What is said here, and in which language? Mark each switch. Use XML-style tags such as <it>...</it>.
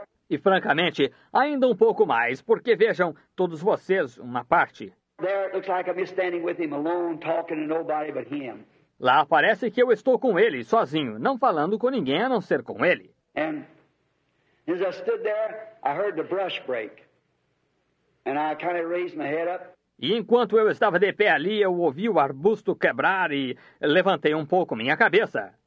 <pt>E francamente, ainda um pouco mais, porque vejam, todos vocês, uma parte.</pt> <en>There it looks like I'm just standing with him alone, talking to nobody but him.</en> <pt>Lá parece que eu estou com ele, sozinho, não falando com ninguém a não ser com ele.</pt> <en>And as I stood there, I heard the brush break. And I kind of raised my head up.</en> <pt>E enquanto eu estava de pé ali, eu ouvi o arbusto quebrar e levantei um pouco minha cabeça.</pt>